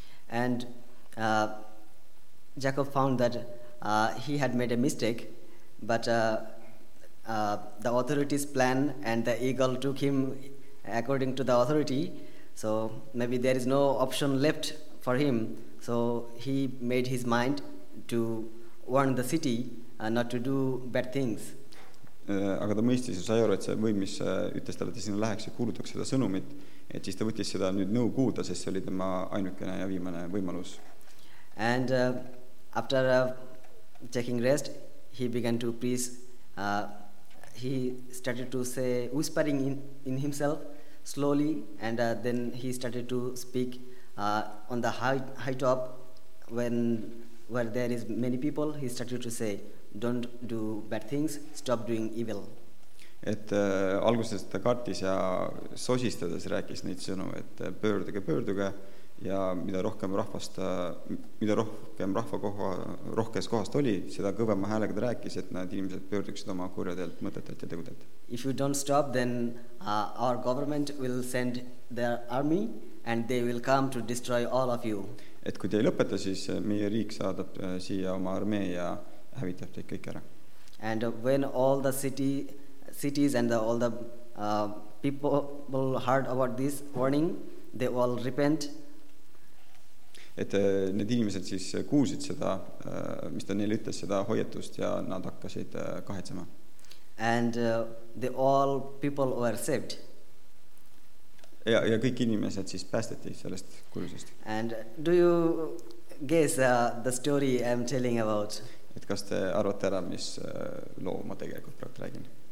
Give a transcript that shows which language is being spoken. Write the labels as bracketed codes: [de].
[en] And Jacob found that he had made a mistake, but the authority's plan and the eagle took him according to the authority, so maybe there is no option left for him, so he made his mind to warn the city not to do bad things. [et] Aga ta mõistis ja sai aru, et see võim, mis ütles talle, et sinna läheks ja kuulutaks seda sõnumit, et siis ta võttis seda nüüd nõu kuuda, sest see oli tema ainukene ja viimane võimalus. [en] And after taking rest, he began to please he started to say whispering in himself slowly, and then he started to speak on the high top where there is many people. He started to say, don't do bad things, stop doing evil. [et] Et alguses ta kartis ja sosistades rääkis neid sõnu, et pöörduge ja mida rohkem rahva kohast oli, seda kõvema häälega ta rääkis, et nad inimesed pöörduksid oma kurjadelt, mõtetelt ja tegudelt. [en] If you don't stop, then our government will send their army and they will come to destroy all of you. [et] Et kui te ei lõpeta, siis meie riik saadab siia oma armee ja hävitab teid kõik ära. [en] And when all the cities and all the people heard about this warning, they all repent. [et] Et need inimesed siis kuulsid seda, mis ta neil ütles, seda hoiatust ja nad hakkasid kahetsema. [en] And the all people were saved. [et] Ja kõik inimesed siis päästeti sellest kurjusest. [en] And do you guess the story I'm telling about? [et] Et kas te arvate ära, mis loo ma tegelikult praegu räägin?